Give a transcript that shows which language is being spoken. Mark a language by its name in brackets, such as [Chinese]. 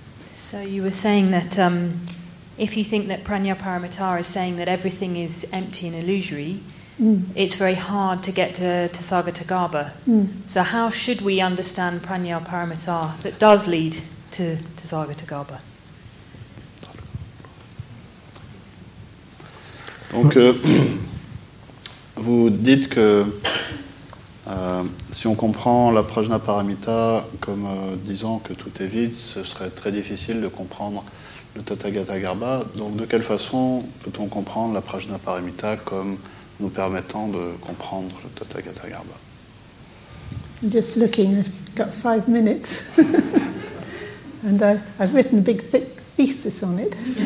[English] So you were saying that if you think that Prajna Paramita is saying that everything is empty and illusory, it's very hard to get to Tathagatagarbha. So how should we understand Prajna Paramita that does lead to Tathagatagarbha? [French] Donc, vous dites que si on comprend la Prajna Paramita comme disant que tout est vide, ce serait très difficile de comprendre le Tathagatagarbha. Donc de quelle façon peut-on comprendre la Prajna Paramita comme nous permettant de comprendre le Tathagatagarbha? [English] I'm just looking, I've got 5 minutes. And I've written a big thesis on it.